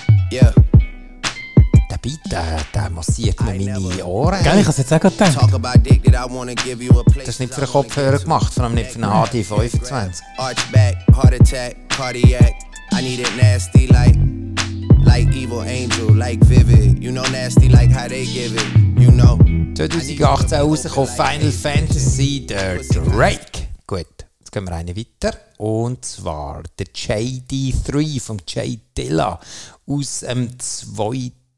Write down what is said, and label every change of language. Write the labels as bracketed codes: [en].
[de] Yeah. Beat, der massiert mir meine Ohren. Gell, ich habe es jetzt auch gerade gedacht. Das ist nicht für einen Kopfhörer gemacht, vor allem nicht für einen HD25. [en] Archback, heart attack, cardiac, I need it nasty like evil angel, like vivid, you know nasty like how they give it, you know. [de] 2018 rausgekommen, Final Fantasy, der Drake. Gut, jetzt gehen wir eine weiter. Und zwar der JD3 von J Dilla aus dem 2015.